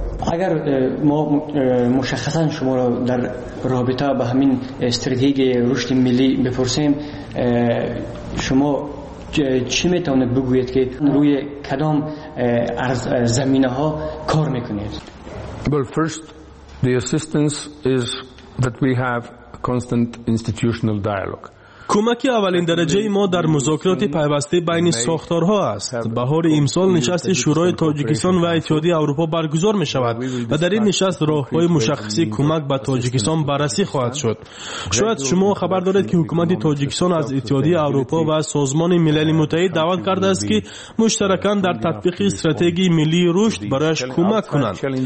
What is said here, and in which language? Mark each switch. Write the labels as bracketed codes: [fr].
[fa] اگر ما مشخصا شما را در رابطه به همین استراتژی رشد ملی بپرسیم، شما چی میتونید بگویید که روی کدام زمینه ها کار میکنید؟ [en] Well, first, the assistance is that we have constant institutional dialogue. [fa] کمکی اولین درجه ما در مذاکرات پیوسته بین ساختارها است. بهار امسال نشست شورای تاجیکستان و اتحادیه اروپا برگزار می شود و در این نشست راههای مشخصی کمک به تاجیکستان بررسی خواهد شد. شاید شما خبر دارید که حکومت تاجیکستان از اتحادیه اروپا و سازمان ملل متحد دعوت کرده است که مشترکاً در تطبیق استراتژی ملی رشد برایش کمک کنند.